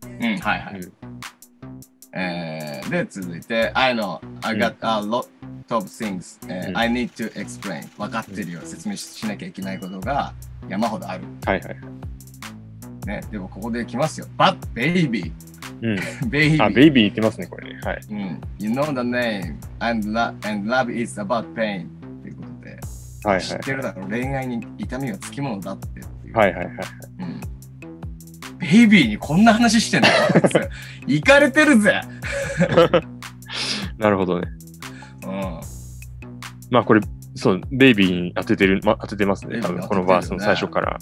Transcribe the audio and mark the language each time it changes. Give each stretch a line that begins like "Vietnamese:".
Japanese: うん、はいはい、うん、で続いて
English: I know I got a lot of things、I need to explain、
Japanese: 分かってるよ、説明しなきゃいけないことが山ほどある、はいはい、ね、でもここで来ますよ
English: But baby
Japanese: うん、ベイビー。あ、ベイビーいきますね、これ。はい。うん。
English: You know the name, and love is about pain.
Japanese: っていうことで。はい、はい。知ってるだろう、恋愛に痛みはつきものだって。っていう、はいはいはい。うん。ベイビーにこんな話してんだよ。いかれてるぜなるほどね。うん。まあ、これ、そう、ベイビーに当ててる、ま、当ててますね、多分、このバースの最初から。